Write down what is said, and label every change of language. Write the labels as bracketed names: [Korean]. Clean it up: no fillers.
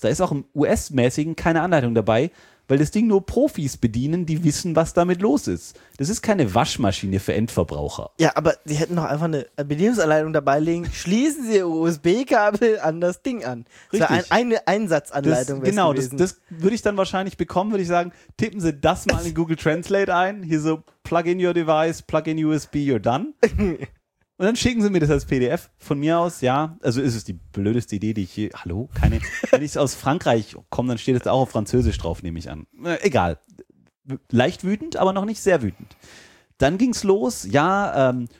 [German] Da ist auch im US-mäßigen keine Anleitung dabei, weil das Ding nur Profis bedienen, die wissen, was damit los ist. Das ist keine Waschmaschine für Endverbraucher. Ja, aber sie hätten doch einfach eine Bedienungsanleitung dabei legen. Schließen Sie Ihr USB-Kabel an das Ding an. Richtig. So eine Einsatzanleitung. Das würde ich dann wahrscheinlich bekommen, würde ich sagen, tippen Sie das mal in Google Translate ein. Hier so, [English] plug in your device, plug in USB, you're done. [German] Und dann schicken sie mir das als PDF von mir aus, ja. Also ist es die blödeste Idee, die ich je. Hallo? Keine. Wenn ich es aus Frankreich komme, dann steht es auch auf Französisch drauf, nehme ich an. Egal. Leicht wütend, aber noch nicht sehr wütend. Dann ging es los, ja.